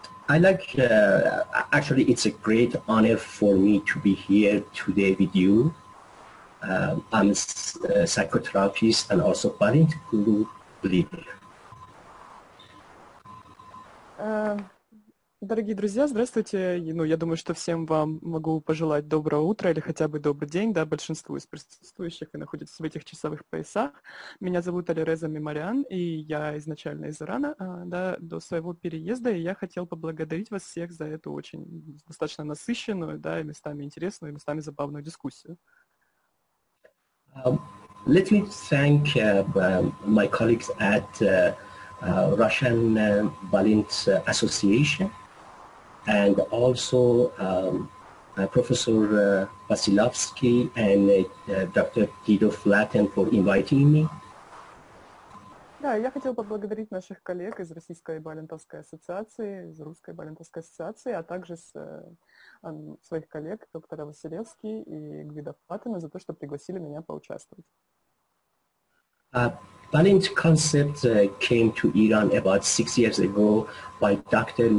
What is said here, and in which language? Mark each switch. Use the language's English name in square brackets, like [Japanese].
[English] It's a great honor for me to be here today with you. I'm a psychotherapist and also parent group leader. [Russian] Дорогие друзья, здравствуйте. Ну, я думаю, что всем вам могу пожелать доброго утра или хотя бы добрый день, да, большинству из присутствующих и находятся в этих часовых поясах. Меня зовут Алиреза Мемориан, и я изначально из Ирана, да, до своего переезда, и я хотел поблагодарить вас всех за эту очень достаточно насыщенную, да, и местами интересную, и местами забавную дискуссию. [English] Let me thank my colleagues at Russian Balint Association. And also Professor Vasilovsky and Dr. Guido Flatten for inviting me. [Russian] Да, я хотел поблагодарить наших коллег из Российской Балентовской ассоциации, из Русской Балентовской ассоциации, а также своих коллег, доктора Василевски и Гвида Флатена, за то, что пригласили меня поучаствовать. [English] Balint concept came to Iran about 6 years ago by Dr.